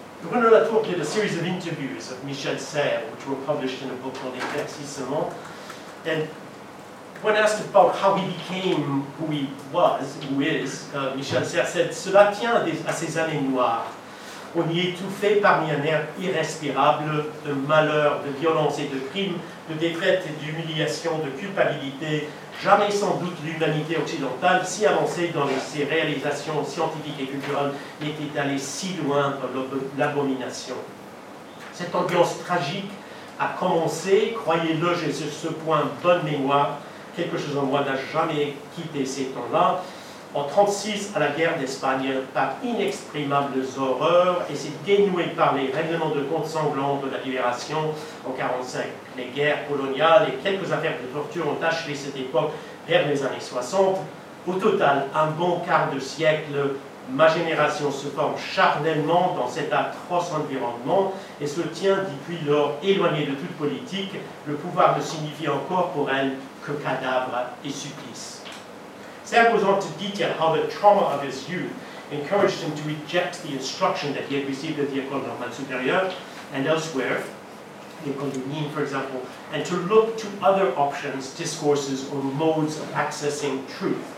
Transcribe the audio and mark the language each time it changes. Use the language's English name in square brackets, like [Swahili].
[English] René Latour did a series of interviews of Michel Serres, which were published in a book called Éclaircissement. And when asked about how he became who he was, who is, Michel Serres said, [French] "Cela tient à ces années noires. On y étouffait parmi un air irrespirable de malheur, de violence et de crime, de défaite et d'humiliation, de culpabilité. Jamais sans doute l'humanité occidentale, si avancée dans ses réalisations scientifiques et culturelles, n'était allée si loin dans l'abomination. Cette ambiance tragique a commencé, croyez-le, j'ai sur ce point bonne mémoire, quelque chose en moi n'a jamais quitté ces temps-là, en 36, à la guerre d'Espagne, par inexprimables horreurs, et s'est dénoué par les règlements de compte sanglants de la libération en 45. Les guerres coloniales et quelques affaires de torture ont achevé cette époque vers les années 60. Au total, un bon quart de siècle, ma génération se forme charnellement dans cet atroce environnement et se tient depuis lors éloignée de toute politique. Le pouvoir ne signifie encore pour elle que cadavre et supplice." [English] Serres goes on to detail how the trauma of his youth encouraged him to reject the instruction that he had received at the École Normale Supérieure and elsewhere, the École du Nîmes, for example, and to look to other options, discourses, or modes of accessing truth.